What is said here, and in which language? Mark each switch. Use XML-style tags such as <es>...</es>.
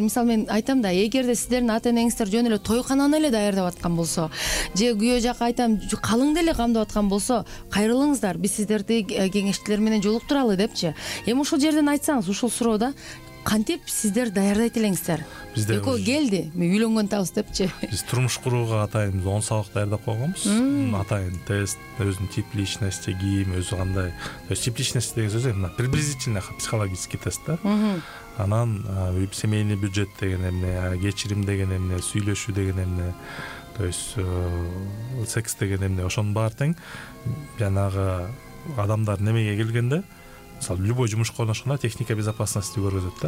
<ky>Мисалы мен айтам да, эгерде сиздердин ата энеңиздер жөн эле тойкананы эле даярдап аткан болсо, же күйөө жака айтам калыңды эле камдап аткан болсо, кайрылыңыздар, биз сиздерди кеңешчилер менен жолуктуралы депчи. Эми ушул жерден айтсаңыз, ушул суроо да, кантип сиздер даярдайт элеңиздер? Бизде экөө келди, үйлөнгөн атабыз депчи. Биз турмуш курууга атайын 10 сабак даярдап койгонбуз. Атайын тест, өзүнүн тип личности, кийим, өзү кандай. Тип личности деген сөз эмне?</ky> <ru>Приблизительно психологический тест да.</ru> <ky>Анан семейный бюджет деген эмне, кечирим деген эмне, сүйлөшүү деген эмне, то есть секс деген эмне, ошонун баары тең. Жанагы адамдар немеге келгенде, мисалы любой жумушка орношконда техника безопасности көргөзөт да.</ky>